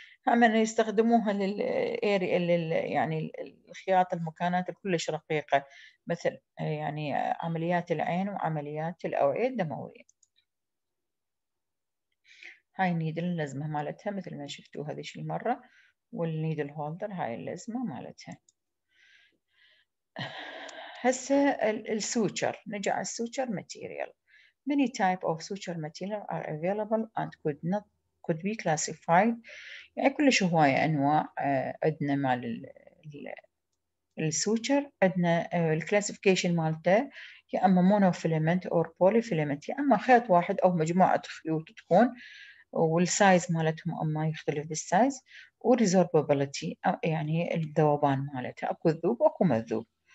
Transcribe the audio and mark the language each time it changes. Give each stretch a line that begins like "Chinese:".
Arabic: هم يستخدموها للأري يعني الخياط المكانات الكلش رقيقة مثل يعني عمليات العين وعمليات الأوعية الدموية. هاي نيدل اللزمة مالتها مثل ما شفتوا هذه المرة والنيدل هولدر هاي اللزمة مالتها. هسه السوتشر نجي على السوتشر ماتيريال.
English: Many types of suture material are available and could be classified.
Arabic: يعني كلش هواية أنواع عندنا مع السوتشر عندنا الكلاسيفيكيشن مالته يا أما مونوفيلمنت أو بوليفيلمنت يا أما خيط واحد أو مجموعة خيوط تكون والسايز مالتهم أما يختلف بالسايز وريزوربابيلتي يعني الذوبان مالته أكو ذوب أكو مذوب.